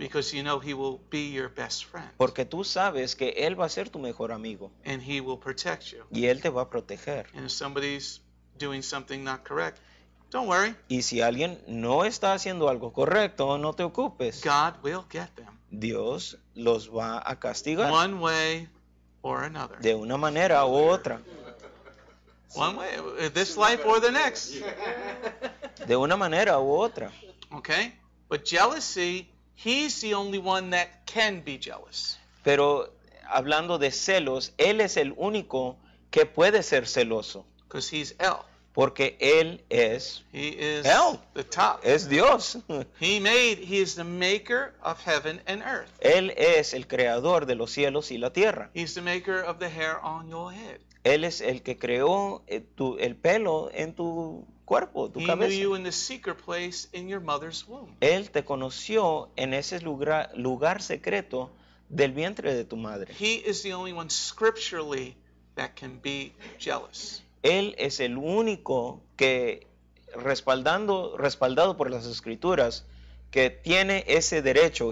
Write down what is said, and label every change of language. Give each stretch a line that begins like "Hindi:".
English: Because you know he will be your best friend.
Spanish: Porque tú sabes que él va a ser tu mejor amigo.
English: And he will protect you.
Spanish: Y él te va a proteger.
English: And if somebody's doing something not correct, don't worry.
Spanish: Y si alguien no está haciendo algo correcto, no te ocupes.
English: God will get them.
Spanish: Dios los va a castigar.
English: One way or another.
Spanish: De una manera u otra.
English: One way, this life or the next.
Spanish: De una manera u otra.
English: Okay? But jealousy, he's the only one that can be jealous.
Spanish: Pero hablando de celos, él es el único que puede ser celoso.
English: Because he's El.
Spanish: Porque él es
English: He is El. The top.
Spanish: Es Dios.
English: He is the maker of heaven and earth.
Spanish: Él es el creador de los cielos y la tierra.
English: He's the maker of the hair on your head.
Spanish: Él es el que creó el pelo en tu cuerpo, tu cabeza.
English: He knew you in the secret place in your mother's womb.
Spanish: Él te conoció en ese lugar secreto del vientre de tu madre.
English: He is the only one scripturally that can be jealous.
Spanish: Él es el único que, respaldado por las escrituras, que tiene ese derecho.